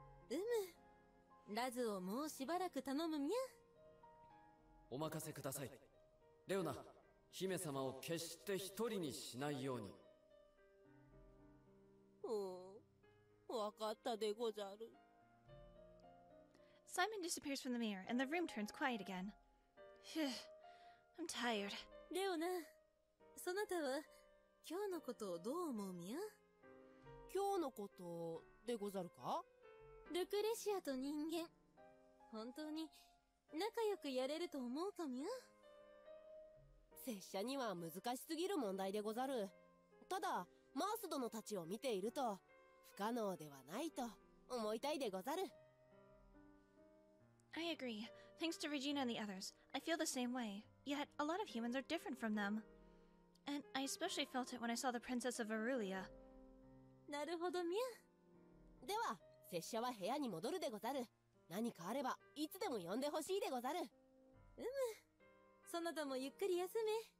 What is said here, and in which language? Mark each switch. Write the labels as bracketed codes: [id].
[ja] うむ、ラズをもうしばらく頼むみゃ。お任せください。レオナ、姫様を決して一人にしないように。おう、わかったでござる。 [en] Simon disappears from the mirror, and the room turns quiet again. Phew, I'm tired. [ja] Leona, そなたは今日のことをどう思うみゃ？今日のことでござるか？ルクレシアと人間、本当に仲良くやれると思うかみゃ？拙者には難しすぎる問題でござる。ただ、マース殿たちを見ていると、不可能ではないと思いたいでござる。 [en] I agree. Thanks to Regina and the others, I feel the same way. Yet, a lot of humans are different from them. And I especially felt it when I saw the Princess of Aurelia. [ja] なるほどみゃ。では、拙者は部屋に戻るでござる。何かあれば、いつでも呼んでほしいでござる。うむ。そなたもゆっくり休め。